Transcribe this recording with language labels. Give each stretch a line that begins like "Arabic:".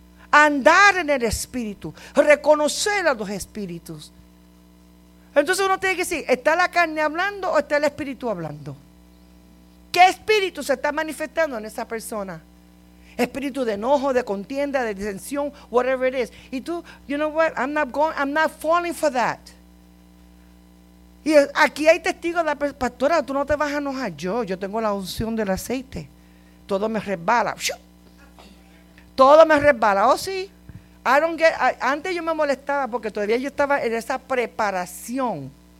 Spanish: Andar en el espíritu, reconocer a los espíritus. Entonces uno tiene que decir, ¿está la carne hablando o está el espíritu hablando? ¿Qué espíritu se está manifestando en esa persona? Espíritu de enojo, de contienda, de disensión,
English: whatever it is.
Spanish: Y tú,
English: you know what, I'm not falling for that.
Spanish: Y aquí hay testigos de la pastora, tú no te vas a enojar, yo tengo la unción del aceite. Todo me resbala. Todo me resbala. Oh, sí. Antes yo me molestaba porque todavía yo estaba en esa preparación.